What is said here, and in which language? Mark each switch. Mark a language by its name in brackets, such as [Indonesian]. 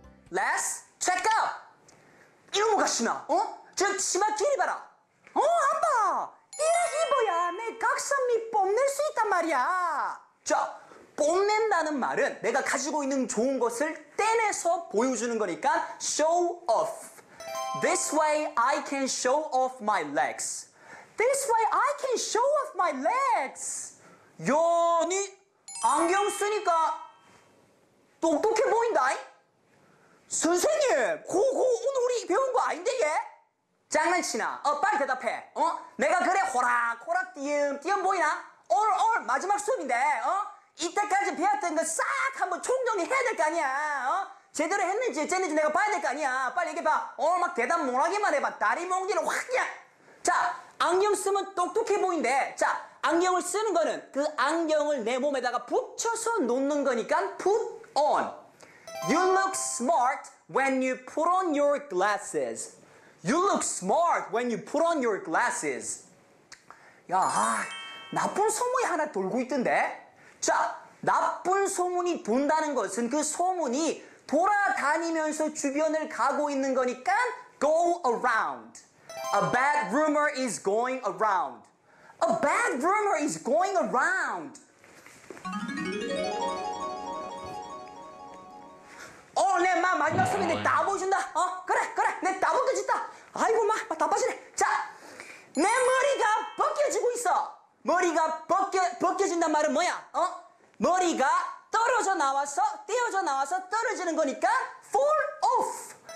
[English] Let's check out! [Korean] 이놈 가시나? 어? 저 치마 길이 봐라! 어, 안 봐! 이래 입어야 내 각선미 뽐낼 수 있단 말이야! 자, 뽐낸다는 말은 내가 가지고 있는 좋은 것을 떼내서 보여주는 거니까 show off! [English] This way I can show off my legs! This way I can show off my legs! [Korean] 야, 니 안경 쓰니까 똑똑해 보인다잉? 선생님! 그거 오늘 우리 배운 거 아닌데 얘? 장난치나? 어, 빨리 대답해! 어? 내가 그래 호락호락 띄엄띄엄 보이나? 오늘 마지막 수업인데 어? 이때까지 배웠던 거 싹 한번 총정리 해야 될 거 아니야? 어? 제대로 했는지 어쨌는지 내가 봐야 될 거 아니야? 빨리 얘기해봐! 오늘 막 대답 못 하기만 해봐! 다리 멍지를 확 그냥! 자! 안경 쓰면 똑똑해 보인대! 자! 안경을 쓰는 거는 그 안경을 내 몸에다가 붙여서 놓는 거니까 put on! [English] You look smart when you put on your glasses. You look smart when you put on your glasses. [Korean] 야, 아, 나쁜 소문이 하나 돌고 있던데? 자, 나쁜 소문이 돈다는 것은 그 소문이 돌아다니면서 주변을 가고 있는 거니까 go around. [English] A bad rumor is going around. A bad rumor is going around. [Korean] 어, 내 마, 마지막 수업인데 다 보여준다. 어, 그래, 그래. 내 다 벗겨진다. 아이고, 마, 다 빠지네. 자, 내 머리가 벗겨지고 있어. 머리가 벗겨진단 말은 뭐야? 어? 머리가 떨어져 나와서, 떼어져 나와서 떨어지는 거니까 fall off.